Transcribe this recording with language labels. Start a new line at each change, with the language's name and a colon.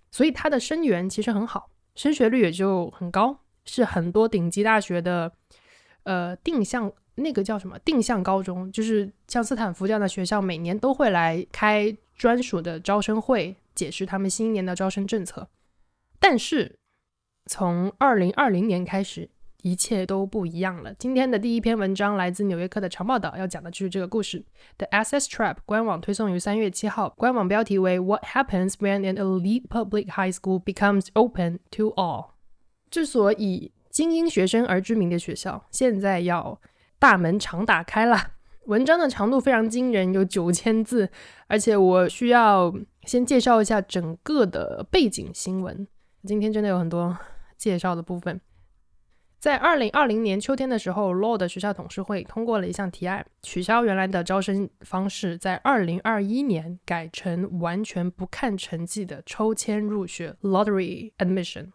Chinese: 所以它的生源其实很好，升学率也就很高，是很多顶级大学的定向，那个叫什么定向高中，就是像斯坦福这样的学校每年都会来开专属的招生会，解释他们新一年的招生政策。但是从2020年开始一切都不一样了。今天的第一篇文章来自纽约客的长报道，要讲的就是这个故事。
English: The Access Trap
Chinese: 官网推送于3月7号，官网标题为
English: What happens when an elite public high school becomes open to all。
Chinese: 这所以精英学生而知名的学校现在要大门常打开了。文章的长度非常惊人，有9000字，而且我需要先介绍一下整个的背景新闻。今天真的有很多介绍的部分。在2020年秋天的时候， Law 的学校董事会通过了一项提案，取消原来的招生方式，在2021年改成完全不看成绩的抽签入学 Lottery Admission。